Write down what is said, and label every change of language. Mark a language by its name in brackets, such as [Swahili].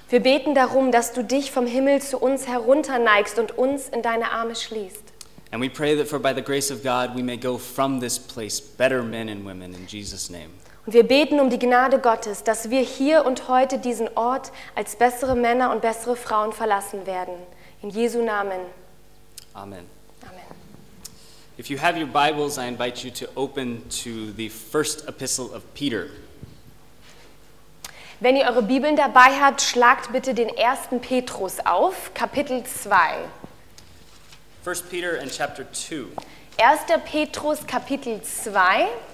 [German] Wir beten darum, dass du dich vom Himmel zu uns herunterneigst und uns in deine Arme schließt. [English] And we pray that for by the grace of God we may go from this place better men and women in Jesus' name. [German] Und wir beten um die Gnade Gottes, dass wir hier und heute diesen Ort als bessere Männer und bessere Frauen verlassen werden. In Jesu Namen. Amen. [English] If you have your Bibles, I invite you to open to the first epistle of Peter. [German] Wenn ihr eure Bibeln dabei habt, schlagt bitte den ersten Petrus auf, Kapitel 2. [English] 1 Peter and chapter 2. [German] 1. Petrus, Kapitel 2.